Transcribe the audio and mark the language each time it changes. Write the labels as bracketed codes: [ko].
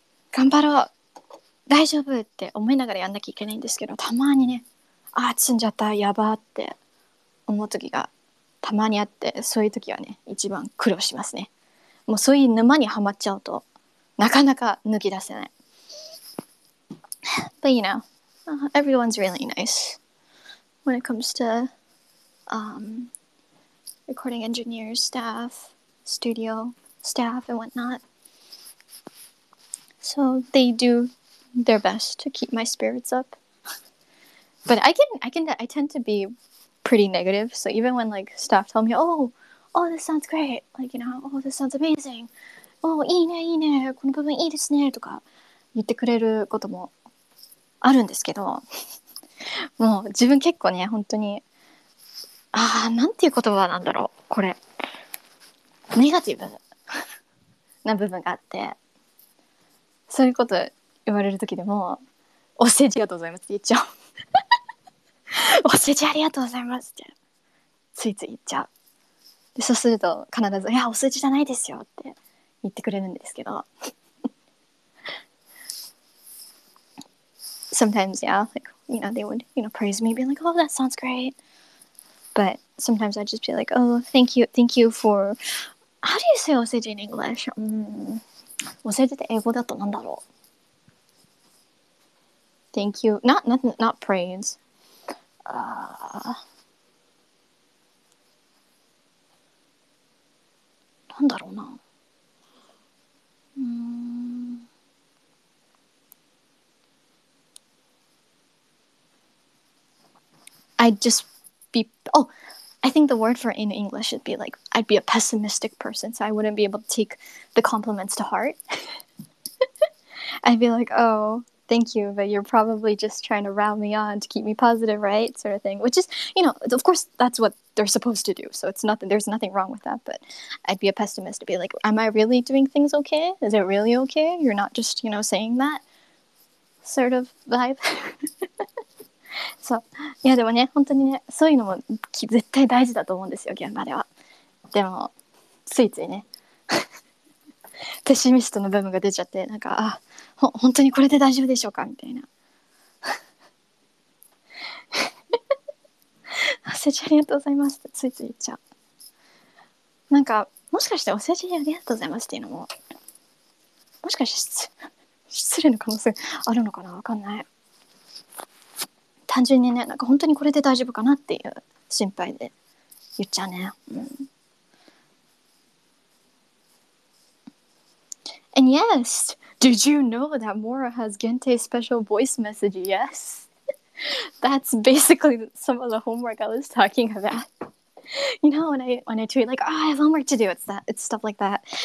[ja] 頑張ろう。大丈夫って思いながらやんなきゃいけないんですけど、たまにね、あー積んじゃった、やばって思うときがたまにあって、そういうときはね、一番苦労しますね。もうそういう沼にはまっちゃうとなかなか抜き出せない。 [en] But you know, everyone's really nice when it comes to recording engineers, staff, studio staff and whatnot. So they do their best to keep my spirits up. But I tend to be pretty negative. So even when like staff tell me, Oh, this sounds great. Like, you know, oh, this sounds amazing. [ja] Oh, いいね、いいね。この部分いいですね。とか言ってくれることもあるんですけど、もう自分結構ね、本当に、ああ、なんていう言葉なんだろう、これ。ネガティブな部分があって、そういうこと言われるときでも、お世辞ありがとうございますって言っちゃう。お世辞ありがとうございますって、ついつい言っちゃう。そうすると必ず、いや、お数字じゃないですよって言ってくれるんですけど。 [en] Sometimes, yeah, like, you know, they would, you know, praise me, be like, oh, that sounds great. But sometimes I'd just be like, oh, thank you for, how do you say お数字 in English? [ja] お数字って英語だとなんだろう。 [en] Thank you, not praise. [ja] なんだろうな。 [en] I'd just be, oh, I think the word for in English should be like, I'd be a pessimistic person, so I wouldn't be able to take the compliments to heart. I'd be like, oh, thank you, but you're probably just trying to rile me on to keep me positive, right? Sort of thing, which is, you know, of course, that's what they're supposed to do. So it's nothing, there's nothing wrong with that. But I'd be a pessimist to be like, am I really doing things okay? Is it really okay? You're not just, you know, saying that sort of vibe. [ja] So, yeah, でもね、本当にね、そういうのも絶対大事だと思うんですよ、現場では。でも、ついついね、ペシミストの部分が出ちゃって、なんか、あ、本当にこれで大丈夫でしょうかみたいな。お世辞ありがとうございますってついつい言っちゃう。なんか、もしかしてお世辞ありがとうございますっていうのも、もしかして失礼の可能性あるのかな、わかんない。単純にね、なんか本当にこれで大丈夫かなっていう心配で言っちゃうね。うん。 [en] And yes, did you know that Mora has Gente special voice message? Yes. That's basically some of the homework I was talking about. You know, when I tweet like, oh, I have homework to do, it's stuff like that.